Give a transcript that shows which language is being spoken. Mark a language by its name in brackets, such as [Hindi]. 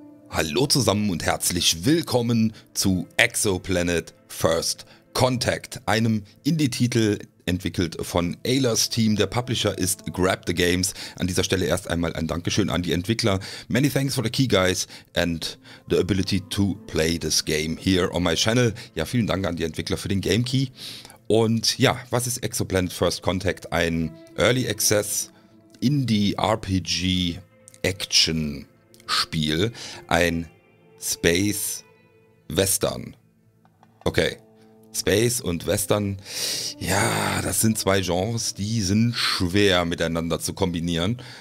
[German] Hallo zusammen und herzlich willkommen zu Exoplanet First Contact, einem Indie-Titel entwickelt von Aylers Team. Der Publisher ist Grab the Games. An dieser Stelle erst einmal ein Dankeschön an die Entwickler. [English] Many thanks for the key guys and the ability to play this game here on my channel. [German] Ja, vielen Dank an die Entwickler für den Game Key. Und ja, was ist Exoplanet First Contact? Ein Early Access Indie RPG Action Spiel, ein Space Western. Okay, Space und Western, ja, das sind zwei Genres, die sind schwer miteinander zu kombinieren.